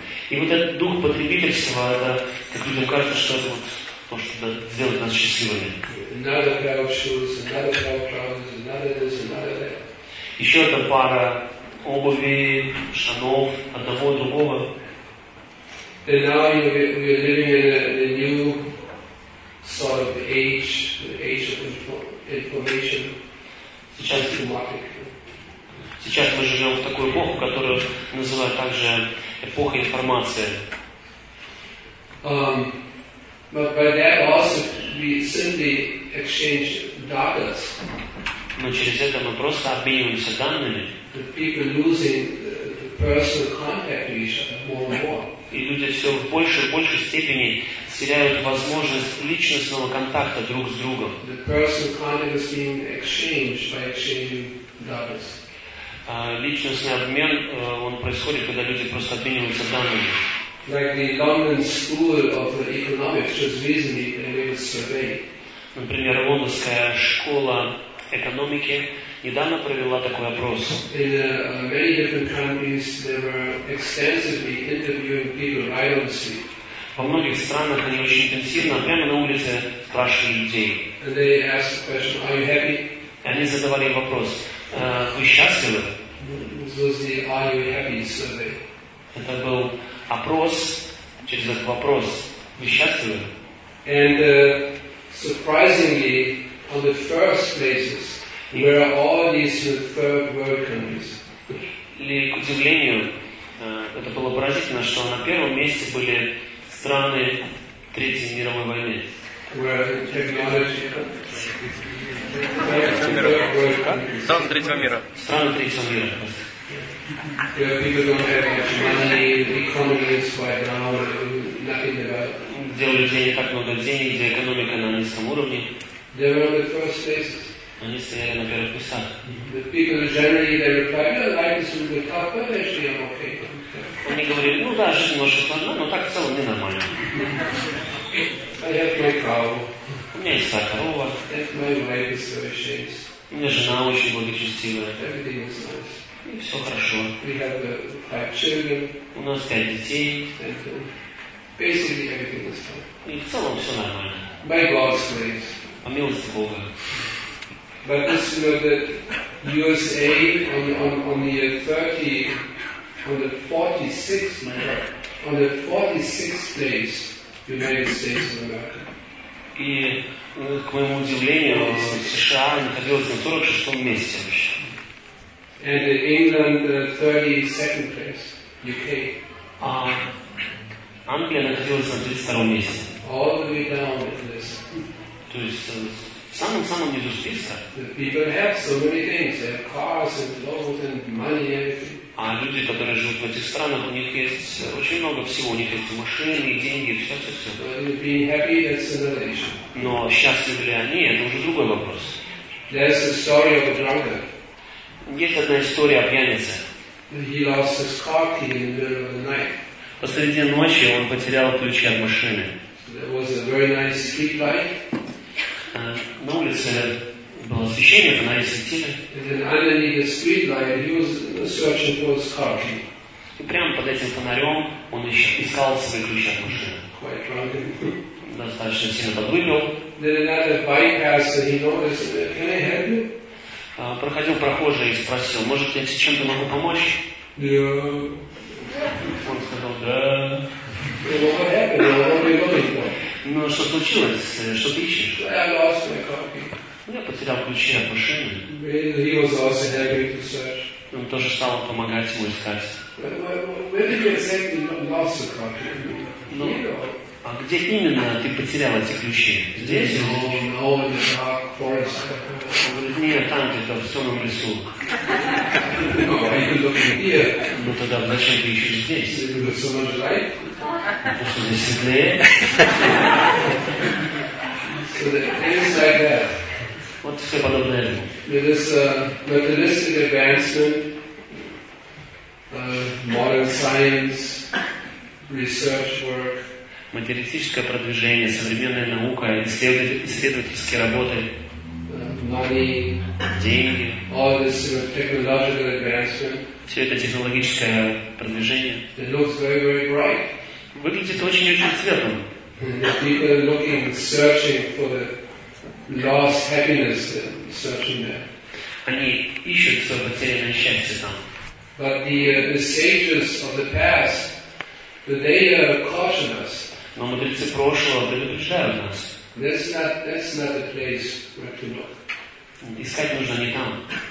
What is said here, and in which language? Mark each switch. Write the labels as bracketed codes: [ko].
[ru] И вот этот дух потребительства, это, как людям кажется, что это вот то, что сделает нас счастливыми. Еще одна пара обуви, штанов, одного, другого. [en] And now we are living in a new sort of age, the age of information. [ru] Сейчас мы живем в такую эпоху, которую называют также эпохой информации. [en] But by that also we simply exchange data. [ru] Но через это мы просто обмениваемся данными. [en] The people losing the personal contact with each other more and more. [ru] И люди все в большей и большей степени теряют возможность личностного контакта друг с другом. [en] The personal contact is being exchanged by exchanging data. [ru] Личностный обмен он происходит, когда люди просто обмениваются данными. [en] Like the London School of Economics just recently did a survey. [ru] Например, лондонская школа экономики недавно провела такой опрос. [en] In many different countries, they were extensively interviewing people right on the street. [ru] Во многих странах они очень интенсивно прямо на улице спрашивали людей. [en] And they asked the question, "Are you happy?" [ru] И они задавали вопрос: "Вы счастливы?" [en] This was the "Are you happy?" survey. [ru] Это был опрос через этот вопрос: "Вы счастливы?" [en] And surprisingly, on the first places where are all these third world countries. [ru] И к удивлению, это было поразительно, что на первом месте были страны Третьей мировой войны. [en] Where technology comes. [ru] Страны Третьего мира. Страны Третьего мира. [en] Where people don't have much money, the economy is quite down, nothing about. [ru] Где у людей не так много денег, где экономика на низком уровне. [en] They were on the first places. [ru] Они стояли на первых местах. [en] The people generally, they replied, "Oh, life is a little bit tough, but actually I'm okay." [ru] Они говорили, ну да, жизнь немножко сложна, но так в целом не нормально. [en] I have my cow. [ru] У меня есть своя корова. [en] My wife is very chaste. [ru] У меня жена очень благочестивая. [en] Everything is nice. [ru] И все хорошо. [en] We have five children. [ru] У нас 5 детей. [en] Basically everything is fine. [ru] И в целом все нормально. [en] By God's grace. [ru] По милости Бога. [en] But this, you know, the USA on the 30, on the 46, on the 46th place, United States of America. [ru] И, к моему удивлению, США находилась на 46-м месте вообще. [en] And England, the 32nd place, UK. [ru] Англия находилась на 32-м месте. [en] All the way down at this. [ru] То есть в самом-самом низу списка. [en] The people have so many things. They have cars and clothes and money and everything. [ru] А люди, которые живут в этих странах, у них есть очень много всего. У них есть машины, деньги, все-все-все. [en] Being happy, that's another issue. [ru] Но счастливы ли они, это уже другой вопрос. [en] There's a story of a drunkard. [ru] Есть одна история о пьянице. [en] He lost his car key in the middle of the night. [ru] Посреди ночи он потерял ключи от машины. [en] There was a very nice street light. [ru] На улице было освещение, фонари светили. [en] And then underneath the street light, he was searching for his car key. [ru] И прямо под этим фонарем он искал свои ключи от машины. [en] Quite drunken. [ru] Достаточно сильно подвыпил. [en] Then another bypasser, he noticed, "Can I help you?" [ru] Проходил прохожий и спросил, может, я тебе чем-то могу помочь? [en] Yeah. [ru] Он сказал, да. [en] Well, what happened? What are you looking for? [ru] Ну, что случилось? Что ты ищешь? [en] I lost my copy. [ru] Я потерял ключи от машины. [en] He was also helping to search. [ru] Он тоже стал помогать ему искать. [en] Where did you exactly lost the copy? [ru] Ну, а где именно ты потерял эти ключи? Здесь? [en] No, no, in the dark forest. [ru] Нет, там где-то в темном лесу. [en] No, are you looking here? [ru] Ну тогда зачем ты ищешь здесь? [en] Is there so much light? [ru] Потому что здесь светлее. [en] So the things like that. [ru] Вот все подобное. [en] With this materialistic advancement, modern science, research work. [ru] Материалистическое продвижение, современная наука, исследовательские работы, [en] money, [ru] деньги, [en] all this sort of technological advancement, [ru] все это технологическое продвижение, [en] it looks very, very bright. [ru] Выглядит очень-очень светлым. [en] People are looking, searching for the lost happiness, searching there. [ru] Они ищут свое потерянное счастье там. [en] But the sages of the past, The data caution us. [ru] Но мудрецы прошлого предупреждают нас. [en] That's not the place where to look. [ru] Искать нужно не там.